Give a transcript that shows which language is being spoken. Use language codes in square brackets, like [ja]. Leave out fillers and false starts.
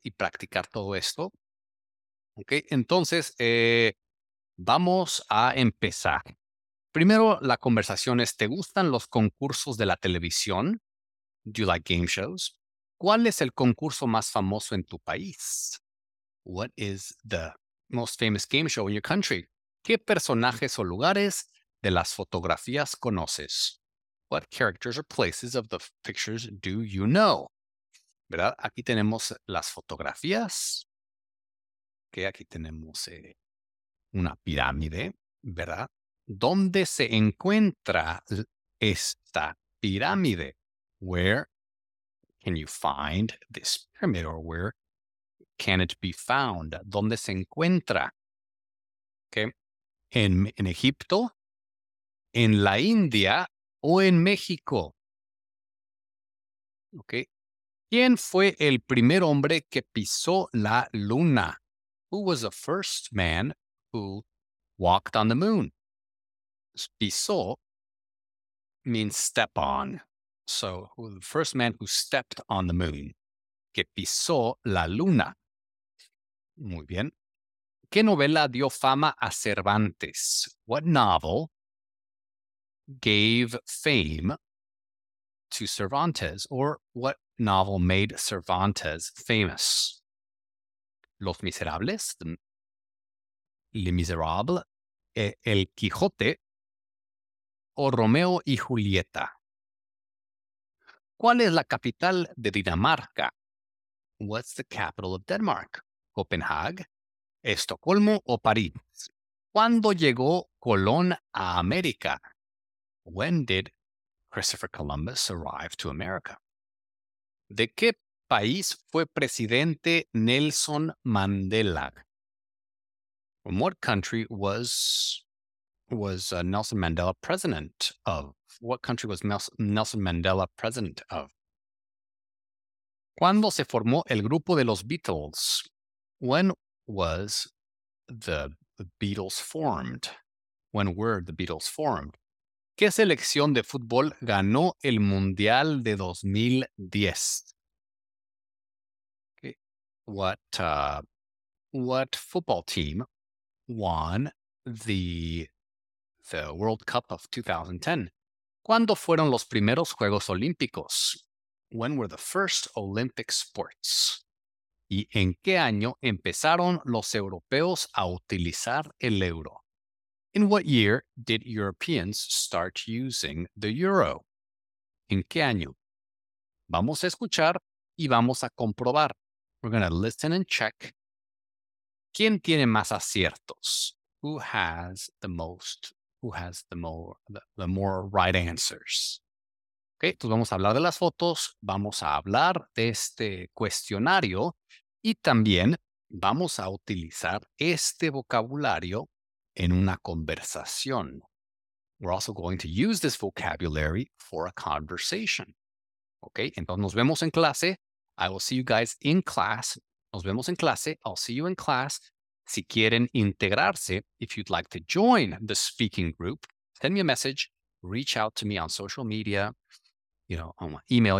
[es] Y practicar todo esto. Ok, entonces vamos a empezar. Primero, la conversación es, ¿te gustan los concursos de la televisión? [en] Do you like game shows? [es] ¿Cuál es el concurso más famoso en tu país? [en] What is the most famous game show in your country? [es] ¿Qué personajes o lugares de las fotografías conoces? [en] What characters or places of the pictures do you know? [es] ¿Verdad? Aquí tenemos las fotografías. Que aquí tenemos una pirámide, ¿verdad? ¿Dónde se encuentra esta pirámide? [en] Where can you find this pyramid or where can it be found? [es] ¿Dónde se encuentra? Okay. ¿En Egipto? ¿En la India o en México? [en] Okay. [es] ¿Quién fue el primer hombre que pisó la luna? [en] Who was the first man who walked on the moon? Pisó means step on. So, the first man who stepped on the moon. [es] Que pisó la luna. Muy bien. ¿Qué novela dio fama a Cervantes? [en] What novel gave fame to Cervantes? Or what novel made Cervantes famous? [es] Los Miserables. Les Miserables. El Quijote. O Romeo y Julieta. ¿Cuál es la capital de Dinamarca? [en] What's the capital of Denmark? [es] ¿Copenhague, Estocolmo o París? ¿Cuándo llegó Colón a América? [en] When did Christopher Columbus arrive to America? [es] ¿De qué país fue presidente Nelson Mandela? [en] From what country was Nelson Mandela president of? What country was Nelson Mandela president of? [es] ¿Cuándo se formó el grupo de los Beatles? [en] When was the Beatles formed? When were the Beatles formed? [es] ¿Qué selección de fútbol ganó el Mundial de 2010? [en] Okay. What football team won the World Cup of 2010? [es] ¿Cuándo fueron los primeros Juegos Olímpicos? [en] When were the first Olympic sports? [es] ¿Y en qué año empezaron los europeos a utilizar el euro? [en] In what year did Europeans start using the euro? [es] ¿En qué año? Vamos a escuchar y vamos a comprobar. [en] We're going to listen and check. [es] ¿Quién tiene más aciertos? [en] Who has the most? Who has the more right answers? [es] Okay, entonces vamos a hablar de las fotos, vamos a hablar de este cuestionario y también vamos a utilizar este vocabulario en una conversación. [en] We're also going to use this vocabulary for a conversation. Okay, [es] entonces nos vemos en clase. [en] I will see you guys in class. [es] Nos vemos en clase. [en] I'll see you in class. [es] Si quieren integrarse, [en] if you'd like to join the speaking group, send me a message, reach out to me on social media, you know, on my email.